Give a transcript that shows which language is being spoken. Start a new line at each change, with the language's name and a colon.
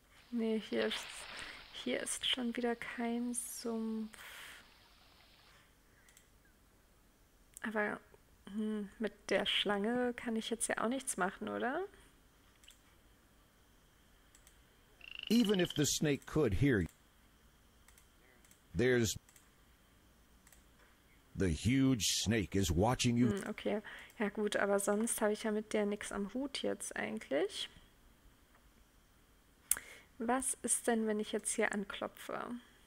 German: Nee, hier ist schon wieder kein Sumpf. Aber mit der Schlange kann ich jetzt ja auch nichts machen, oder?
English: Even if the snake could hear you, there's the huge snake is watching you.
German: Okay, ja gut, aber sonst habe ich ja mit der nichts am Hut jetzt eigentlich. Was ist denn, wenn ich jetzt hier anklopfe?